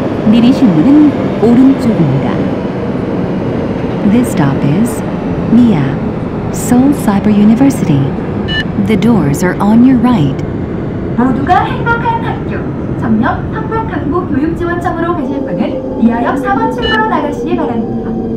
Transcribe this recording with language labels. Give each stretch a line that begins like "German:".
Korean: 내리실 문은 오른쪽입니다.
English: This stop is MIA, Seoul Cyber University. The doors are on your right.
Korean: 모두가 행복한 학교, 정력 한국 강북 교육 지원청으로 가실 분은 MIA역 4번 출구로 나가시기 바랍니다.